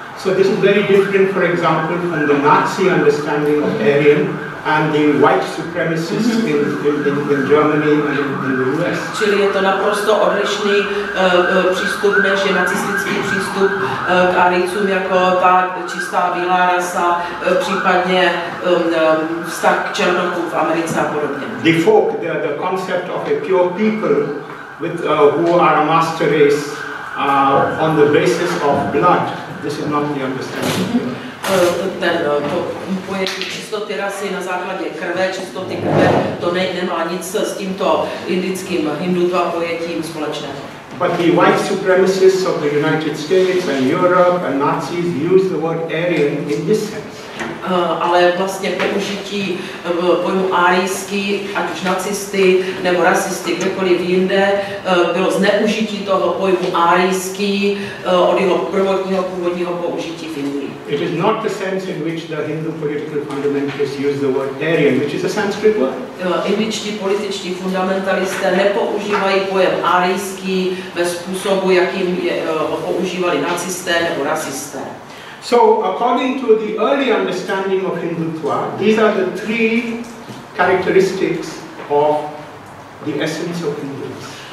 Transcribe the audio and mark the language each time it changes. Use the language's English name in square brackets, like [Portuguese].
[English] So this is very different, for example, from the Nazi understanding of Aryan and the white supremacists in Germany and in the US. [Czech] Čili je to naprosto odlišný přístup, než je nacistický přístup k Árijcům jako ta čistá bílá rasa, případně vztah k černochům v Americe a podobně. [English] The folk, the concept of a pure people with who are a master race on the basis of blood. This is not the understanding. [Czech] To pojetí čistoty rasy na základě krve, čistoty krve, to nemá nic s tímto indickým hindutva pojetím společného. [English] But the white supremacists of the United States and Europe and Nazis use the word Aryan in this sense. [Czech] Ale vlastně použití pojmu árijský, ať už nacisty nebo rasisty, kdekoliv jinde, bylo zneužití toho pojmu árijský od jeho prvotního původního použití v Indii. [English] It is not the sense in which the Hindu political fundamentalists use the word Aryan, which is a Sanskrit word. [Czech] Indičtí političtí fundamentalisté nepoužívají pojem árijský ve způsobu, jakým je používali nacisté nebo rasisté. [English] So according to the early understanding of Hindutva, these are the three characteristics of the essence of Hindus.